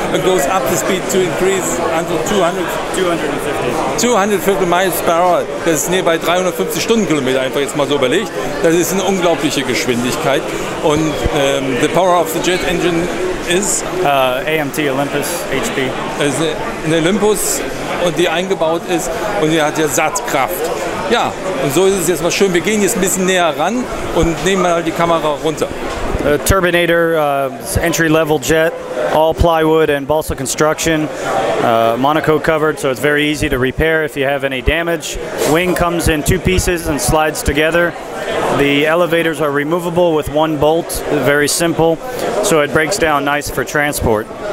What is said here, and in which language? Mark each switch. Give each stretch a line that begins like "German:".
English: And goes up the speed to increase until 250 miles per hour.
German: Das ist nebenbei 350 Stundenkilometer, einfach jetzt mal so überlegt. Das ist eine unglaubliche Geschwindigkeit. Und
English: the power of the jet engine is? AMT Olympus HP.
German: Ist eine Olympus, die eingebaut ist und die hat ja Satzkraft. Ja, und so ist es jetzt mal schön. Wir gehen jetzt ein bisschen näher ran und nehmen mal die Kamera runter.
English: A Turbinator, entry-level jet, all plywood and balsa construction, Monaco covered, so it's very easy to repair if you have any damage. Wing comes in two pieces and slides together. The elevators are removable with one bolt, very simple, so it breaks down nice for transport.